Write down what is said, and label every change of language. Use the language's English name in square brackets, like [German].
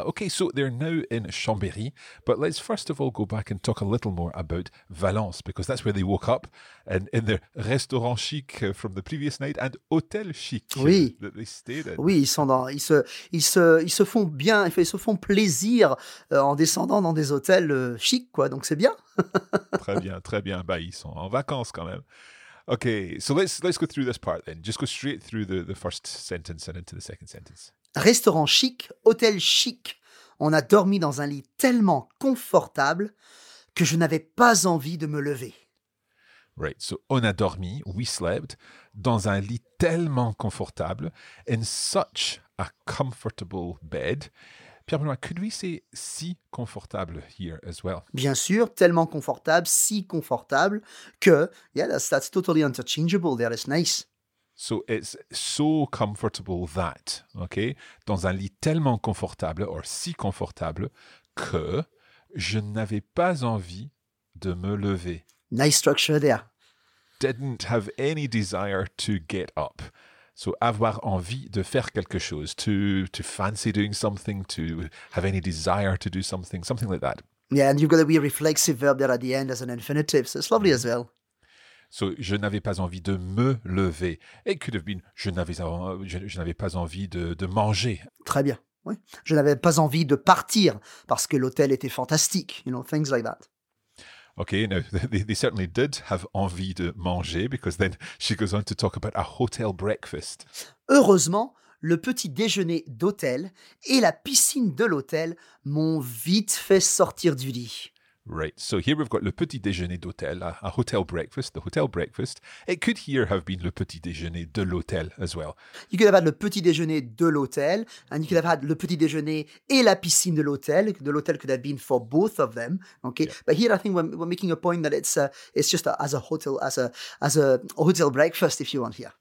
[English] Okay, so they're now in Chambéry, but let's first of all go back and talk a little more about Valence, because that's where they woke up, and in their [French] restaurant chic [English] from the previous night and [French] hôtel chic oui. [English] That they stayed in. [French] Oui, ils se font bien, ils se font plaisir en descendant dans des hôtels chics, quoi. Donc c'est bien. Très bien, très bien. Bah, ils sont en vacances quand même. [English] Okay, so let's go through this part then. Just go straight through the first sentence and into the second sentence. [French] Restaurant chic, hôtel chic. On a dormi dans un lit tellement confortable que je n'avais pas envie de me lever. [English] Right, so [French] on a dormi, [English] we slept, [French] dans un lit tellement confortable, [English] in such a comfortable bed. Pierre-Benoît, could we say [French] si confortable [English] here as well? [French] Bien sûr, tellement confortable, si confortable que, [English] yeah, that's totally interchangeable there, it's nice. So it's so comfortable that, okay? [French] Dans un lit tellement confortable, or si confortable, que, Je n'avais pas envie de me lever. [English] Nice structure there. Didn't have any desire to get up. So [French] avoir envie de faire quelque chose, [English] to fancy doing something, to have any desire to do something, something like that. Yeah, and you've got a wee reflexive verb there at the end as an infinitive, so it's lovely as well. So [French] je n'avais pas envie de me lever. [English] It could have been [French] je n'avais pas envie de manger. Très bien. Oui. Je n'avais pas envie de partir parce que l'hôtel était fantastique. [English] You know, things like that. Okay, now they certainly did have [French] envie de manger [English] because then she goes on to talk about a hotel breakfast. [French] Heureusement, le petit déjeuner d'hôtel et la piscine de l'hôtel m'ont vite fait sortir du lit. [English] Right, so here we've got [French] le petit déjeuner d'hôtel, [English] a hotel breakfast, the hotel breakfast. It could here have been [French] le petit déjeuner de l'hôtel [English] as well. You could have had [French] le petit déjeuner de l'hôtel, [English] and you could have had [French] le petit déjeuner et la piscine de l'hôtel [English] could have been for both of them, okay? Yeah. But here I think we're making a point that it's just a hotel breakfast if you want here.